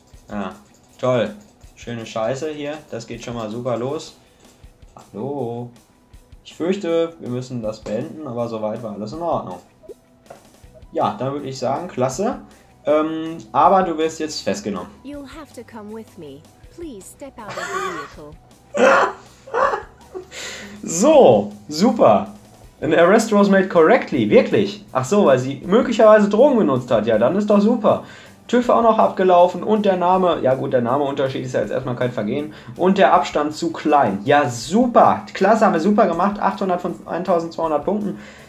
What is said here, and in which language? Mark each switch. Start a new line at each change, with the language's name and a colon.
German: Ja, toll. Schöne Scheiße hier. Das geht schon mal super los. Hallo. Ich fürchte, wir müssen das beenden, aber soweit war alles in Ordnung. Ja, dann würde ich sagen, klasse. Aber du wirst jetzt festgenommen.
English: You'll have to come with me. Please step out of the vehicle.
German: So, super.
English: An arrest was made correctly,
German: wirklich. Ach so, weil sie möglicherweise Drogen benutzt hat. Ja, dann ist doch super. TÜV auch noch abgelaufen und der Name, ja gut, der Nameunterschied ist ja jetzt erstmal kein Vergehen, und der Abstand zu klein. Ja, super, klasse, haben wir super gemacht, 800 von 1200 Punkten.